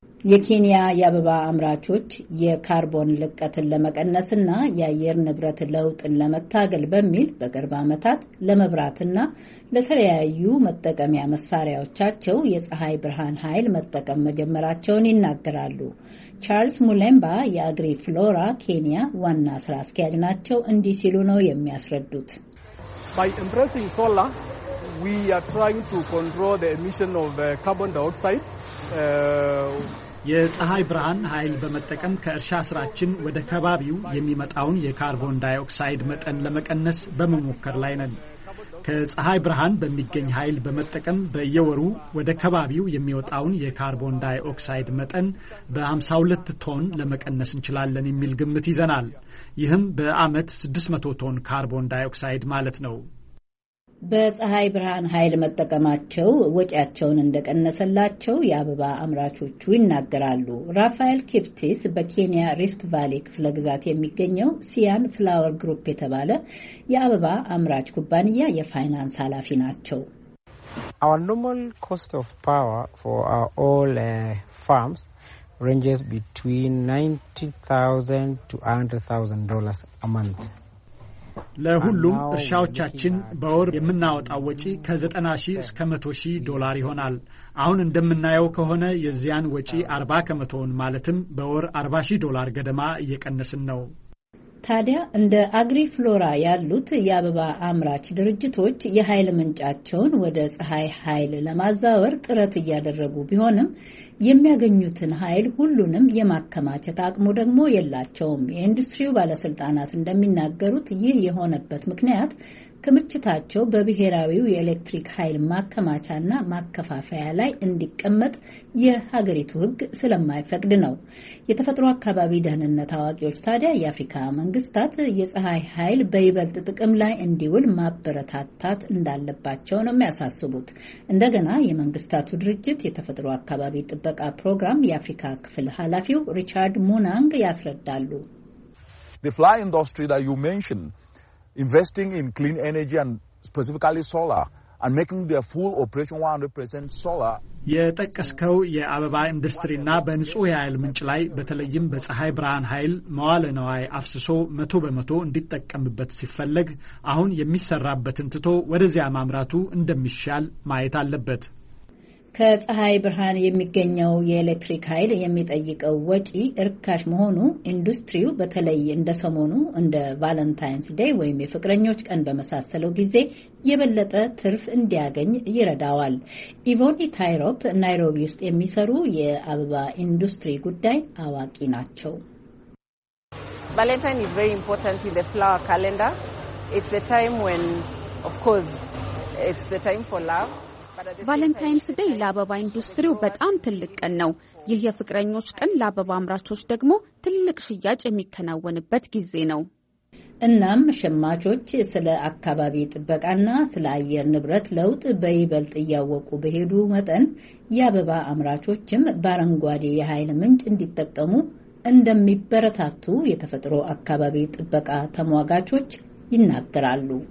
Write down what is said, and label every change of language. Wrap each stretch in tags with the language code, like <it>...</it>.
<am>የኬንያ የአበባ አምራቾች የካርቦን ልቀትን ለመቀነስና የአየር ንብረት ለውጥን ለመታገል በሚል በቅርብ ዓመታት ለመብራትና ለተለያዩ መጠቀሚያ መሳሪያዎቻቸው የፀሐይ ብርሃን ኃይል መጠቀም መጀመራቸውን ይናገራሉ። ቻርልስ ሙሌምባ የአግሪ ፍሎራ ኬንያ ዋና ስራ አስኪያጅ ናቸው። እንዲህ ሲሉ ነው የሚያስረዱት።</am> <en>By embracing solar, we are trying to control the emission of carbon dioxide.</en> <am>የፀሐይ ብርሃን ኃይል በመጠቀም ከእርሻ ስራችን ወደ ከባቢው የሚመጣውን የካርቦን ዳይኦክሳይድ መጠን ለመቀነስ በመሞከር ላይ ነን። ከፀሐይ ብርሃን በሚገኝ ኃይል በመጠቀም በየወሩ ወደ ከባቢው የሚወጣውን የካርቦን ዳይኦክሳይድ መጠን በ52 ቶን ለመቀነስ እንችላለን የሚል ግምት ይዘናል። ይህም በአመት 600 ቶን ካርቦን ዳይኦክሳይድ ማለት ነው። በፀሐይ ብርሃን ኃይል መጠቀማቸው ወጪያቸውን እንደቀነሰላቸው የአበባ አምራቾቹ ይናገራሉ። ራፋኤል ኬፕቲስ በኬንያ ሪፍት ቫሊ ክፍለ ግዛት የሚገኘው ሲያን ፍላወር ግሩፕ የተባለ የአበባ አምራች ኩባንያ የፋይናንስ ኃላፊ ናቸው።</am> <en>Our normal cost of power for our all farms ranges between $90,000 to $100,000 a month.</en> <am>ለሁሉም እርሻዎቻችን በወር የምናወጣው ወጪ ከ90,000 እስከ 100,000 ዶላር ይሆናል። አሁን እንደምናየው ከሆነ የዚያን ወጪ 40% ማለትም በወር 40,000 ዶላር ገደማ እየቀነስን ነው። ታዲያ እንደ አግሪ ፍሎራ ያሉት የአበባ አምራች ድርጅቶች የኃይል ምንጫቸውን ወደ ፀሐይ ኃይል ለማዛወር ጥረት እያደረጉ ቢሆንም የሚያገኙትን ኃይል ሁሉንም የማከማቸት አቅሙ ደግሞ የላቸውም። የኢንዱስትሪው ባለስልጣናት እንደሚናገሩት ይህ የሆነበት ምክንያት ክምችታቸው በብሔራዊው የኤሌክትሪክ ኃይል ማከማቻና ማከፋፈያ ላይ እንዲቀመጥ የሀገሪቱ ሕግ ስለማይፈቅድ ነው። የተፈጥሮ አካባቢ ደህንነት አዋቂዎች ታዲያ የአፍሪካ መንግስታት የፀሐይ ኃይል በይበልጥ ጥቅም ላይ እንዲውል ማበረታታት እንዳለባቸው ነው የሚያሳስቡት። እንደገና የመንግስታቱ ድርጅት የተፈጥሮ አካባቢ ጥበቃ ፕሮግራም የአፍሪካ ክፍል ኃላፊው ሪቻርድ ሙናንግ ያስረዳሉ።</am> <en>The fly industry that you mentioned, investing in clean energy and specifically solar and making their full operation 100% solar.</en> <am>የጠቀስከው የአበባ ኢንዱስትሪና በንጹህ ኃይል ምንጭ ላይ በተለይም በፀሐይ ብርሃን ኃይል መዋለ ንዋይ አፍስሶ 100% እንዲጠቀምበት ሲፈለግ አሁን የሚሰራበትን ትቶ ወደዚያ ማምራቱ እንደሚሻል ማየት አለበት። ከፀሐይ ብርሃን የሚገኘው የኤሌክትሪክ ኃይል የሚጠይቀው ወጪ እርካሽ መሆኑ ኢንዱስትሪው በተለይ እንደ ሰሞኑ እንደ ቫለንታይንስ ዴይ ወይም የፍቅረኞች ቀን በመሳሰለው ጊዜ የበለጠ ትርፍ እንዲያገኝ ይረዳዋል። ኢቮኒ ታይሮፕ ናይሮቢ ውስጥ የሚሰሩ የአበባ ኢንዱስትሪ ጉዳይ አዋቂ ናቸው።</am> <en>Valentine is very important in the flower calendar. It's the time when, of course, it's the time for love.</en> <am>ቫለንታይንስ ዴይ ለአበባ ኢንዱስትሪው በጣም ትልቅ ቀን ነው። ይህ የፍቅረኞች ቀን ለአበባ አምራቾች ደግሞ ትልቅ ሽያጭ የሚከናወንበት ጊዜ ነው። እናም ሸማቾች ስለ አካባቢ ጥበቃና ስለ አየር ንብረት ለውጥ በይበልጥ ያወቁ በሄዱ መጠን የአበባ አምራቾችም ባረንጓዴ የኃይል ምንጭ እንዲጠቀሙ እንደሚበረታቱ የተፈጥሮ አካባቢ ጥበቃ ተሟጋቾች ይናገራሉ።</am>